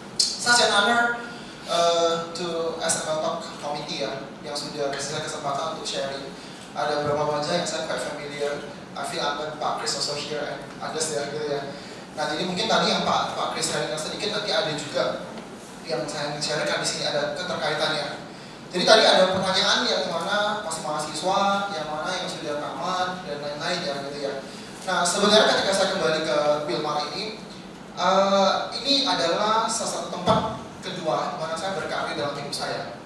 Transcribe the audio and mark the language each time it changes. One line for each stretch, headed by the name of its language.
English: Such an honor to
Indonesian: SML Talk Committee ya, yang sudah kasih saya kesempatan untuk sharing. Ada beberapa wajah yang saya
English: quite familiar. I feel honored Pak Chris also here and others there
Indonesian: gitu ya. Nah jadi mungkin tadi yang Pak Chris sharingkan sedikit, nanti ada juga yang saya sharekan di sini ada keterkaitannya. Jadi tadi ada pertanyaan yang mana masih mahasiswa, yang mana yang sudah tamat dan lain-lain ya gitu ya. Nah sebenarnya ketika saya kembali ke Pilmar ini adalah sesuatu tempat kedua di mana saya berkarir dalam tim saya.